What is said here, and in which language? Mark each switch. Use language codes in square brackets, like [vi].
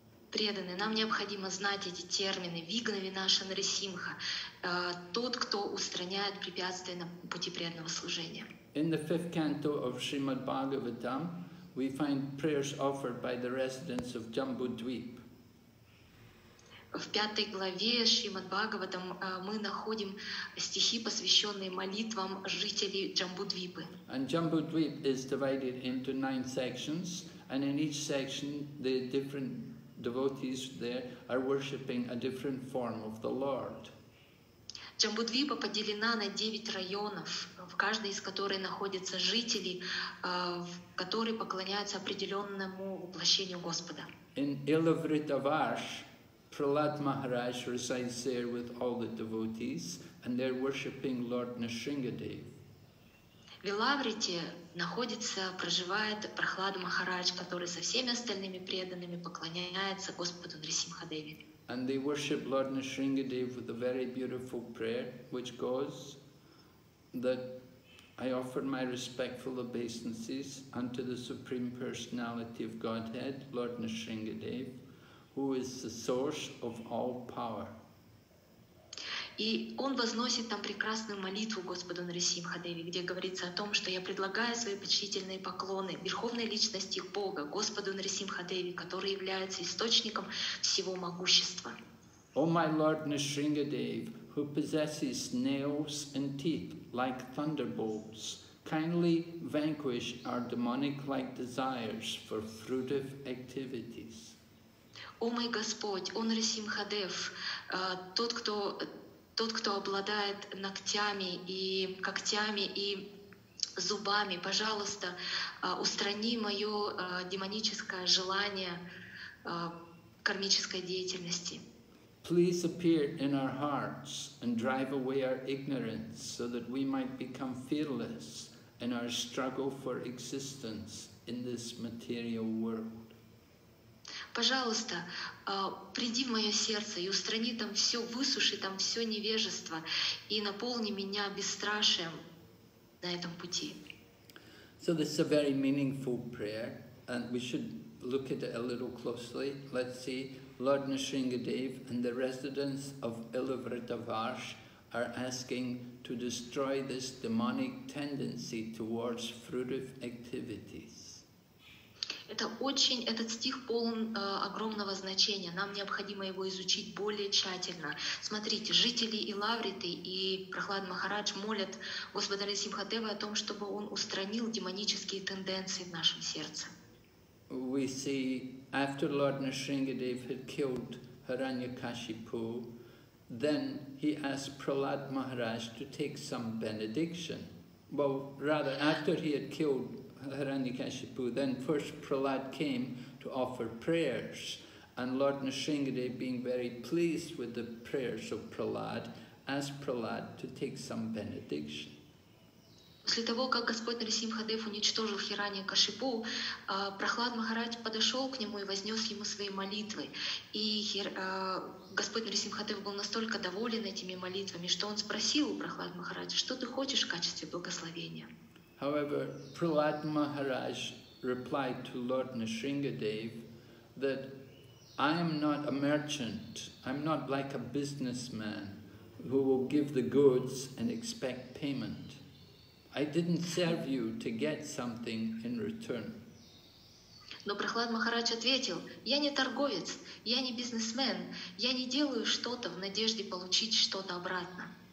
[ru] Преданные, нам необходимо знать эти термины. Вигна Винаша Нарисимха, тот, кто устраняет препятствия на пути преданного служения. [en] In the fifth canto of Srimad Bhagavatam, we find prayers offered by the residents of Jambudvip. [ru] В пятой главе Шримад Бхагаватам мы находим стихи, посвященные молитвам жителей Джамбудвипы. [en] And Jambudvip is divided into 9 sections, and in each section the different devotees there are worshipping a different form of the Lord. [ru] Джамбудвипа поделена на 9 районов, в каждой из которых находятся жители, которые поклоняются определенному воплощению Господа. [en] In Ilavritavash, Prahlad Maharaj resides there with all the devotees, and they're worshipping Lord Nrisimhadev. [ru] В Илаврите находится, проживает Прахлад Махарадж, который со всеми остальными преданными поклоняется Господу Нрисимхадеве. [en] And they worship Lord Nrisimhadev with a very beautiful prayer, which goes that I offer my respectful obeisances unto the Supreme Personality of Godhead, Lord Nrisimhadev, who is the source of all power. [ru] И он возносит там прекрасную молитву Господу Нрисимхадеве, где говорится о том, что я предлагаю свои почтительные поклоны Верховной Личности Бога, Господу Нрисимхадеве, который является источником всего могущества. [en] О, my Lord Nrisimhadev, who possesses nails and teeth like thunderbolts, kindly vanquish our demonic-like desires for fruitive activities. [ru] О, мой Господь, о Нрисимхадев, тот, кто обладает ногтями и когтями и зубами, пожалуйста, устрани мое демоническое желание кармической деятельности. [en] Please appear in our hearts and drive away our ignorance so that we might become fearless in our struggle for existence in this material world. [ru] Пожалуйста, приди в мое сердце и устрани там все, высуши там все невежество и наполни меня бесстрашием на этом пути. [en] So this is a very meaningful prayer, and we should look at it a little closely. Let's see, Lord Nrisimhadev and the residents of Ilavritavash are asking to destroy this demonic tendency towards fruitive activities. [ru] Этот стих полон огромного значения. Нам необходимо его изучить более тщательно. Смотрите, жители Илавриты и Прахлад Махарадж молят Господа Нрисимхадева о том, чтобы он устранил демонические тенденции в нашем сердце. [en] We see after Lord Nrisimhadev had killed Hiranyakashipu, then he asked Prahlad Maharaj to take some benediction. Well, rather, after he had killed Hiranyakashipu, then first Prahlad came to offer prayers, and Lord Nrisimhadev, being very pleased with the prayers of Prahlad, asked Prahlad to take some benediction. [ru] После того, как Господь Нарисимхадев уничтожил Хираня Кашипу, Прохлад Махарадж подошел к нему и вознес ему свои молитвы. И Господь Нарисимхадев был настолько доволен этими молитвами, что он спросил у Прохлад Махараджа, что ты хочешь в качестве благословения. [en] However, Prahlad Maharaj replied to Lord Nrisimhadev that I am not a merchant, I'm not like a businessman who will give the goods and expect payment. I didn't serve you to get something in return. [ru] Но Прохлад Махарадж ответил: "Я не торговец, я не бизнесмен, я не делаю что-то в надежде получить что-то обратно."